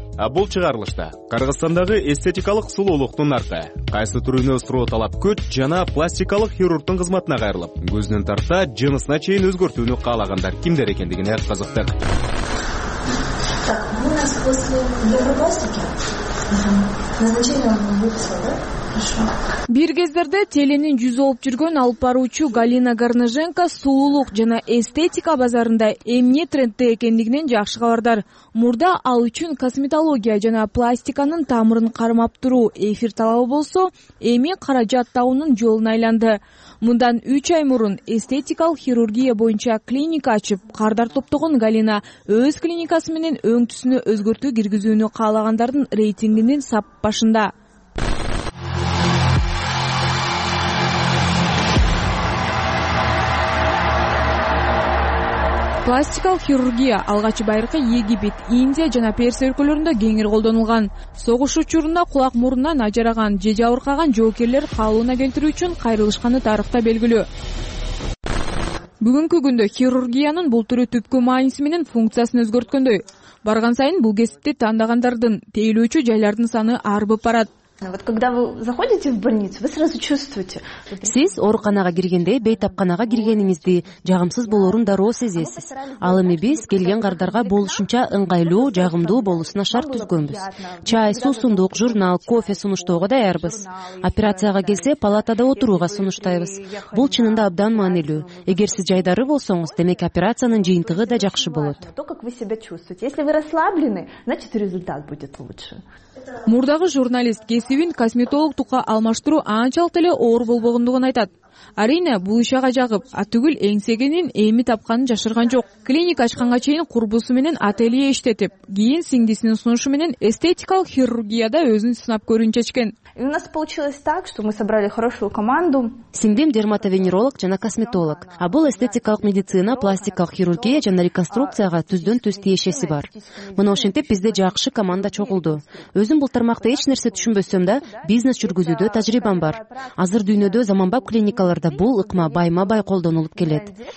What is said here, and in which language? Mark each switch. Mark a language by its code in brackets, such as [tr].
[ky] Бул чыгарылышта Кыргызстандагы эстетикалык сулуулуктун арты, кайсы түрүнө строй талап күт жана пластикалык хирургтун кызматына кайрылып, көзүнөн тарта жынысына чейин өзгөртүүнү каалагандар кимдер экендигине кызыктык. [ru] Так, мы нас после пластики. Назначение вам будет. [ky] Бир кездерде теленин жүзү болуп жүргөн алып баруучу Галина Горноженко сулуулук жана эстетика базарында эмне трендте экендигинен жакшы кабардар. Мурда ал үчүн косметология жана пластиканын тамырын кармап туруу эфир талабы болсо, эми каражат табуунун жолуна айланды. Мындан 3 ай мурун эстетикалык хирургия боюнча клиника ачып, кардар топтогон Галина өз клиникасы менен өңтүсүнө өзгөртүү киргизүүнү каалагандардын рейтингинин сап башында. Пластикалык хирургия алгач байыркы Египет, Индия жана Персия өлкөлөрүндө кеңири колдонулган. Согуш учурунда кулак мурунан ажыраган же жабыркаган жоокерлер калыбына келтирүү үчүн кайрылышканы тарыхта белгилүү. Бүгүнкү күндө хирургиянын бул түрү түпкү мааниси менен функциясын өзгөрткөндөй. Барган сайын бул кесипти тандагандардын тейлөөчү жайлардын саны арбып барат. [ru] Вот когда вы заходите в больницу, вы сразу чувствуете. [ky] Сиз ооруканага киргенде бейтапканага киргениңизди жагымсыз болорун дароо сезесиз. Ал эми биз келген кардарга болушунча ыңгайлуу, жагымдуу болуусуна шарт түзгөнбүз. Чай, суусундук, журнал, кофе сунуштоого даярбыз. Операцияга келсе, палатада отурууга сунуштайбыз. Бул чынында абдан маанилүү. Эгер сиз жайдары болсоңуз, демек операциянын жыйынтыгы да жакшы болот. [ru] То, как вы себя чувствуете. Если вы расслаблены, значит, результат будет лучше. [ky] Мурдагы журналист кесибин косметологтукка алмаштыруу анчалык эле оор болбогондугун айтат. Арине бул иш ага жагып, атүгүл эңсегенин эми тапканын жашырган жок. Клиника ачканга чейин курбусу менен ателье иштетип, кийин сиңдисинин сунушу менен эстетикалык хирургияда өзүн сынап көрүүн чечкен. [ru] У нас получилось так, что мы собрали хорошую команду. [ky] Сиңдим дерматовенеролог жана косметолог. А бул эстетикалык медицина, пластикалык хирургия жана реконструкцияга түздөн-түз тиешеси бар. Мына ошентип бизде жакшы команда чогулду. Өзүм бул тармакта эч нерсе түшүнбөсөм да, бизнес жүргүзүүдө тажрыйбам бар. Азыр дүйнөдө заманбап клиникаларда бул ыкма байма-бай колдонулуп келет.